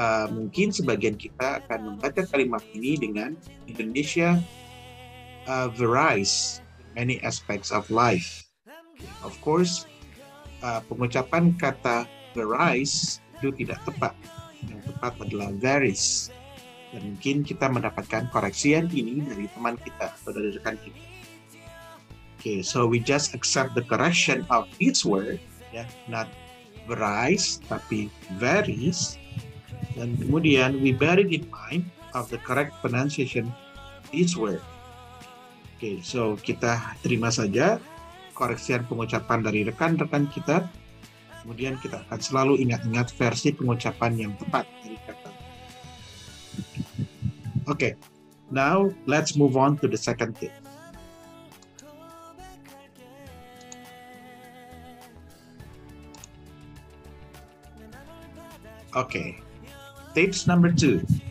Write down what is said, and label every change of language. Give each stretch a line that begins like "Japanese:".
Indonesian: Mungkin sebagian kita akan membaca kalimat ini dengan Indonesia
English: varies many aspects of life. Of course,
Indonesian: pengucapan kata varies itu tidak tepat. Yang tepat adalah varies. Dan mungkin kita mendapatkan koreksian ini dari teman kita atau dari rekan kita.
English: Okay, so we just accept the correction of this word, yeah, not varies
Indonesian: tapi
English: varies.
Indonesian: Dan kemudian,
English: we bear it in mind of the correct pronunciation this word.
Indonesian: Okay, so kita terima saja koreksian pengucapan dari rekan-rekan kita. Kemudian kita akan selalu ingat-ingat versi pengucapan yang tepat dari kata.
English: Okay, now let's move on to the second tip. Okay. Tips number two.